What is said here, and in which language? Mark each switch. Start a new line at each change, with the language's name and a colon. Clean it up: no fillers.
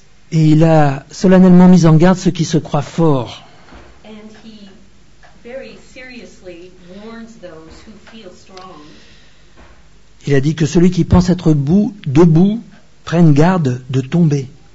French: Et il a solennellement mis en garde ceux qui se croient forts.
English: And he very seriously warns those who feel strong.
French: Il a dit que celui qui pense être debout prenne garde de tomber.